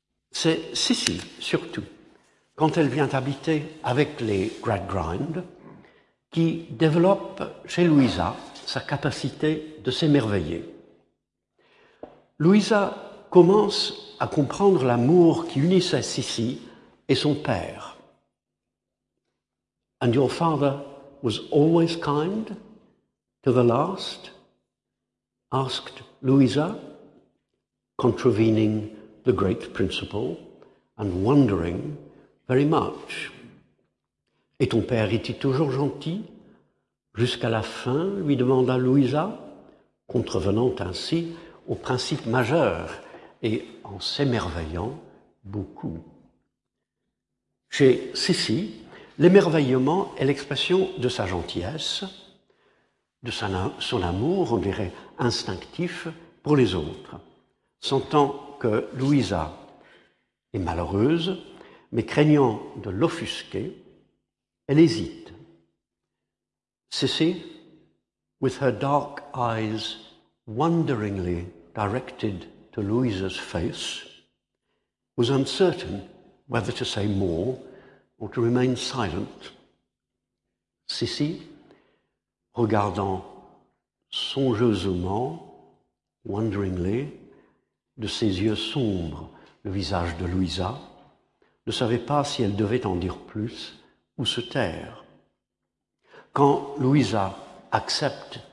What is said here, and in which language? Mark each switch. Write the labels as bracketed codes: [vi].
[fr] C'est Cissy, surtout, quand elle vient habiter avec les Gradgrind, qui développe chez Louisa sa capacité de s'émerveiller. Louisa commence à comprendre l'amour qui unissait Cissy et son père. [en] « And your father was always kind to the last ?» asked Louisa, contravening the great principle and wondering very much. [fr] « Et ton père était toujours gentil ?» jusqu'à la fin, lui demanda Louisa, contrevenant ainsi au principe majeur et en s'émerveillant beaucoup. Chez Cissy, l'émerveillement est l'expression de sa gentillesse, de son amour, on dirait, instinctif pour les autres. Sentant que Louisa est malheureuse, mais craignant de l'offusquer, elle hésite. [en] Cissy, with her dark eyes wonderingly directed to Louisa's face, was uncertain whether to say more or to remain silent. [fr] Cissy, regardant songeusement, wonderingly, de ses yeux sombres le visage de Louisa, ne savait pas si elle devait en dire plus ou se taire. Quand Louisa accepte